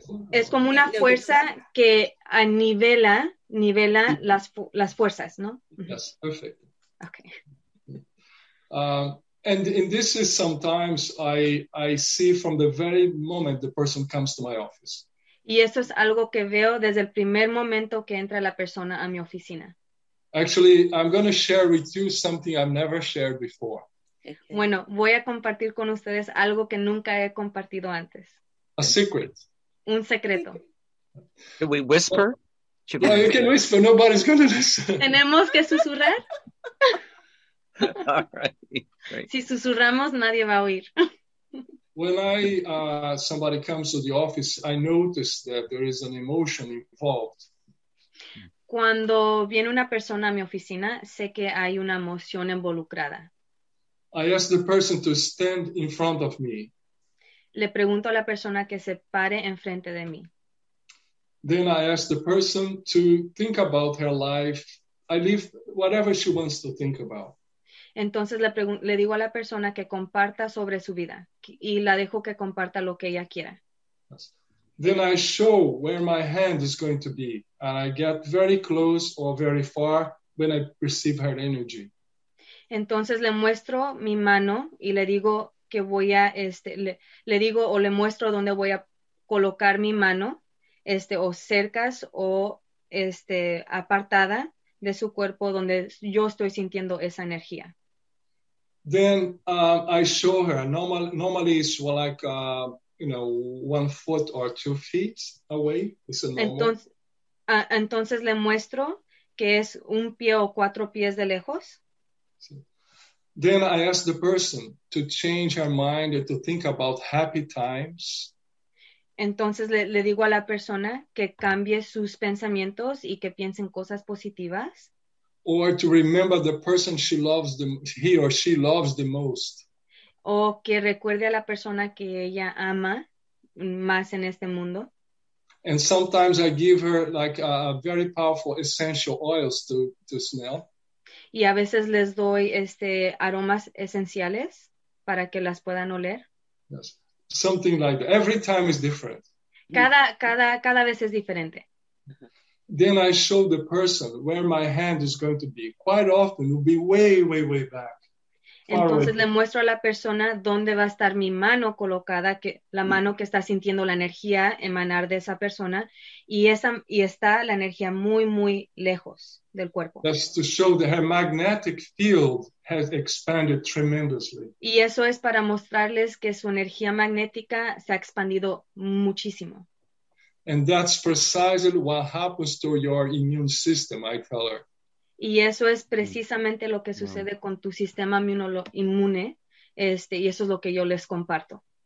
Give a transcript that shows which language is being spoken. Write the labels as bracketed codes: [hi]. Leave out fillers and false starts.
[es] Es como una fuerza que nivela las fuerzas, ¿no? [en] Yes, perfect. Okay. And this is sometimes I see from the very moment the person comes to my office. [es] Y eso es algo que veo desde el primer momento que entra la persona a mi oficina. [en] Actually, I'm going to share with you something I've never shared before. [es] Bueno, voy a compartir con ustedes algo que nunca he compartido antes. [en] A secret. [es] Un secreto. [en] Can we whisper? Yeah, you can whisper. Nobody's going to listen. [es] ¿Tenemos que susurrar? [en] All right. [es] Si susurramos, nadie va a oír. [en] When I somebody comes to the office, I notice that there is an emotion involved. [es] Cuando viene una persona a mi oficina, sé que hay una emoción involucrada. [en] I ask the person to stand in front of me. [es] Le pregunto a la persona que se pare enfrente de mí. [en] Then I ask the person to think about her life. I leave whatever she wants to think about. [es] Entonces le digo a la persona que comparta sobre su vida y la dejo que comparta lo que ella quiera. [en] Then I show where my hand is going to be, and I get very close or very far when I receive her energy. [es] Entonces le muestro mi mano y le digo que voy a le digo o le muestro dónde voy a colocar mi mano, o cercas o apartada de su cuerpo donde yo estoy sintiendo esa energía. [en] Then I show her. Normally it's like you know, 1 foot or 2 feet away. It's a normal. [es] Entonces le muestro que es un pie o cuatro pies de lejos. [en] Then I ask the person to change her mind and to think about happy times. [es] Entonces le digo a la persona que cambie sus pensamientos y que piense en cosas positivas. [en] Or to remember the person she loves, he or she loves the most. [es] O que recuerde a la persona que ella ama más en este mundo. [en] And sometimes I give her like a very powerful essential oils to smell. [es] Y a veces les doy aromas esenciales para que las puedan oler. [en] Yes. Something like that. Every time is different. [es] Cada vez es diferente. [en] Then I show the person where my hand is going to be. Quite often it will be way, way, way back. [es] Entonces le muestro a la persona dónde va a estar mi mano colocada, la mano que está sintiendo la energía emanar de esa persona, y está la energía muy, muy lejos del cuerpo. [en] That's to show that her magnetic field has expanded tremendously. [es] Y eso es para mostrarles que su energía magnética se ha expandido muchísimo. [en] And that's precisely what happens to your immune system, I tell her. [es] Y eso es precisamente lo que sucede con tu sistema inmune, y eso es lo que yo les comparto.